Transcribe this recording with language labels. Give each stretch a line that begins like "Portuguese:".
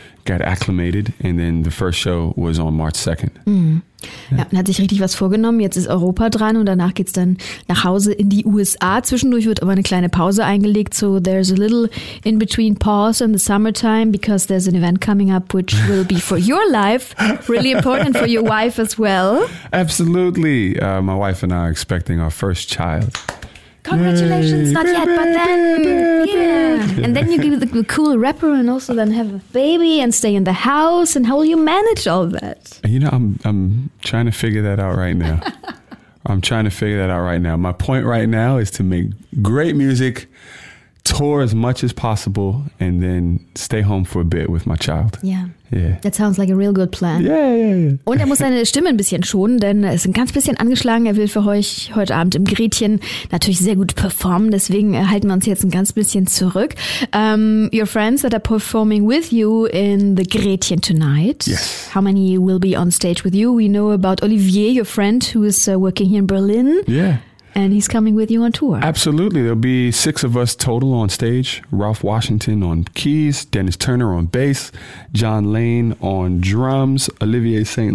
English: Got acclimated and then the first show was on March 2nd.
German: Ja, man hat sich richtig was vorgenommen. Jetzt ist Europa dran und danach geht's dann nach Hause in die USA. Zwischendurch wird aber eine kleine Pause eingelegt.
English: So there's a little in-between pause in the summertime because there's an event coming up, which will be for your life, really important for your wife as well. Absolutely. My wife and I are expecting our first child. Congratulations, yay. Not yet, but then, yeah. And then you give the cool rapper and also then have a baby and stay in the house. And how will you manage all that? You know, I'm trying to figure that out right now. I'm trying to figure that out right now. My point right now is to make great music, tour as much as possible, and then stay home for a bit with my child. Yeah. That sounds like a real good plan. Yeah.
German: Und er muss seine Stimme ein bisschen schonen, denn er ist ein ganz bisschen angeschlagen. Er will für euch heute Abend im Gretchen natürlich sehr gut performen. Deswegen halten wir uns jetzt ein ganz bisschen zurück.
English: Your friends that are performing with you in the Gretchen tonight. Yes. How many will be on stage with you? We know about Olivier, your friend, who is working here in Berlin. Yeah. And he's coming with you on tour. Absolutely. There'll be six of us total on stage. Ralph Washington on keys, Dennis Turner on bass, John Lane on drums, Olivier St.